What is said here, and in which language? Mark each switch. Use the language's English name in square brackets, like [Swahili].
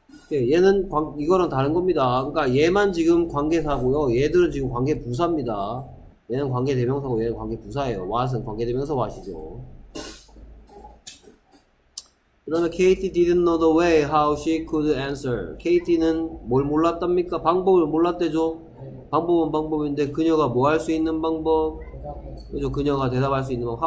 [Korean] 얘는 이거랑 다른 겁니다. 그러니까 얘만 지금 관계사고요. 얘들은 지금 관계부사입니다. 얘는 관계대명사고 얘는 관계부사예요. what은 관계대명사 what이죠. 그 다음에 [English] Katie didn't know the way how she could answer. [Korean] Katie는 뭘 몰랐답니까? 방법을 몰랐대죠. 방법은 방법인데 그녀가 뭐 할 수 있는 방법? 그죠? 그녀가 대답할 수 있는 방법.